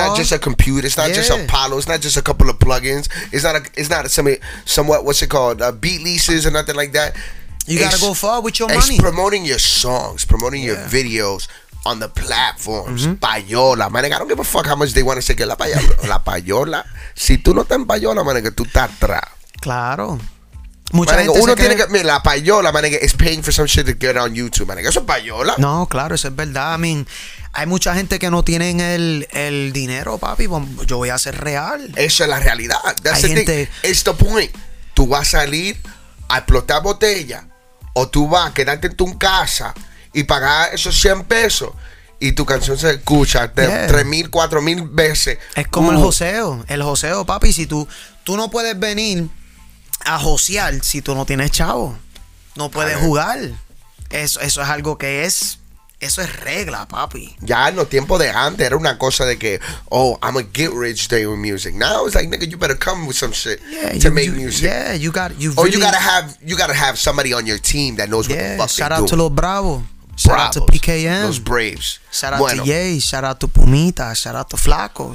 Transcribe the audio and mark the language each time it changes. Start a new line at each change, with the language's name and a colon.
English: It's not just a computer. It's not just Apollo. It's not just a couple of plugins. It's not beat leases or nothing like that. You gotta go far with your money. It's promoting your songs, promoting your videos on the platforms. Mm-hmm. Payola, man. I don't give a fuck how much they want to say
Spanish: que la payola. La payola. Si tú no estás en payola, man, que tú estás atrás. Claro. Mucha manega, gente uno tiene que...
English: La payola, man, is paying for some shit to get on YouTube, man.
Spanish: Eso es payola. No, claro, eso es verdad.
English: I mean,
Spanish: hay mucha gente que no tienen el dinero, papi. Yo voy a ser real. Eso es la realidad. That's hay the gente...
English: thing. It's the point.
Spanish: Tú vas a salir a explotar botella o tú vas a quedarte en tu casa y pagar esos 100 pesos y tu canción se escucha 3,000, 4,000 veces. Es como el joseo, papi. Si tú no puedes venir a josear si tú no tienes chavo, no puedes jugar. Eso es algo que es, eso es regla, papi. Ya en los tiempos de antes era una cosa de que,
English: oh, I'm a get rich day with music. Now it's like, nigga, you better come with some shit to make music. Yeah, you got you. Or really, you gotta have somebody on your team that knows what the fuck they're doing. Shout out to Los Bravos. Shout out to PKM. Los Braves. Shout out to Yay. Shout out to Pumita. Shout out to Flaco.